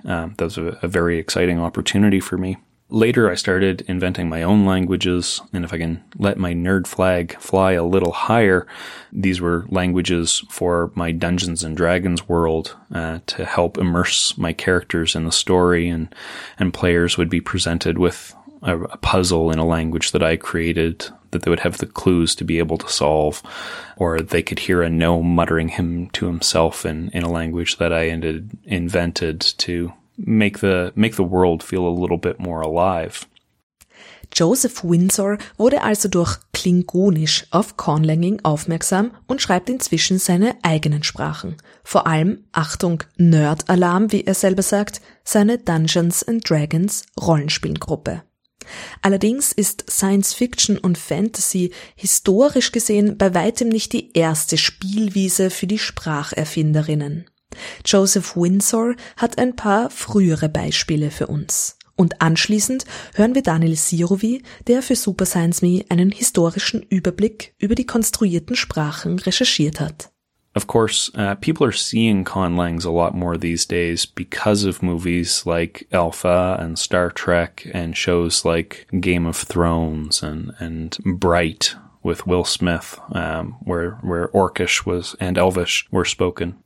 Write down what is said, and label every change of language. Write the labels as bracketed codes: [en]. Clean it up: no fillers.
[en] That was a very exciting opportunity for me. Later, I started inventing my own languages, and if I can let my nerd flag fly a little higher, these were languages for my Dungeons & Dragons world to help immerse my characters in the story, and players would be presented with a puzzle in a language that I created that they would have the clues to be able to solve, or they could hear a gnome muttering him to himself in a language that I ended invented to make the world feel a little bit more alive. [de] Joseph Windsor wurde also durch Klingonisch auf Conlanging aufmerksam und schreibt inzwischen seine eigenen Sprachen. Vor allem, Achtung, Nerd-Alarm, wie er selber sagt, seine Dungeons & Dragons Rollenspielgruppe. Allerdings ist Science Fiction und Fantasy historisch gesehen bei weitem nicht die erste Spielwiese für die Spracherfinderinnen. Joseph Windsor hat ein paar frühere Beispiele für uns. Und anschließend hören wir Daniel Sirovi, der für Super Science Me einen historischen Überblick über die konstruierten Sprachen recherchiert hat. [en] Of course, people are seeing conlangs a lot more these days because of movies like Alpha and Star Trek and shows like Game of Thrones and Bright with Will Smith, where Orcish was and Elvish were spoken.